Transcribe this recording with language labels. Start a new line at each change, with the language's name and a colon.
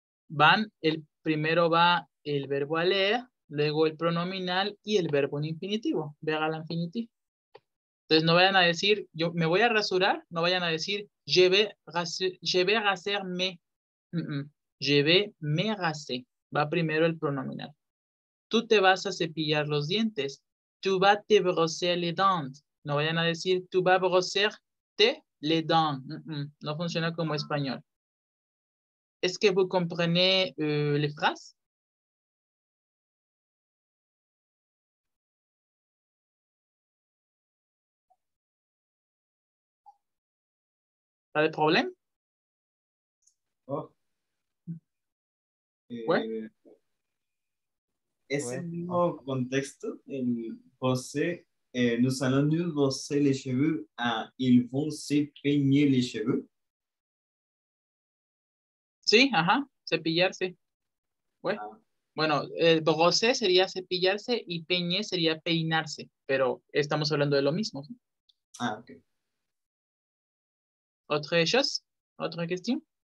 Spanish: Van, el primero va el verbo a leer, luego el pronominal y el verbo en infinitivo. Verá la infinitiva. Entonces no vayan a decir, yo me voy a rasurar, no vayan a decir,
French: je vais raser me. Je vais me raser.
Spanish: Va primero el pronominal. Tú te vas a cepillar los dientes.
French: Tu vas te brosser les dents.
Spanish: No vayan a decir, tú vas a
French: brosser te les dents.
Spanish: No funciona como español. ¿Es que
French: vous comprenez les phrases?
Spanish: ¿Está de problema? Oh. ¿Es el mismo contexto?
French: En José, nous allons nous brosser les cheveux à ils vont se peigner les cheveux.
Spanish: Sí, ajá, cepillarse. Bueno, brosser sería cepillarse y peigner sería peinarse, pero estamos hablando de lo mismo. ¿Sí? Ah, ok. ¿Otra cosa? ¿Otra cuestión?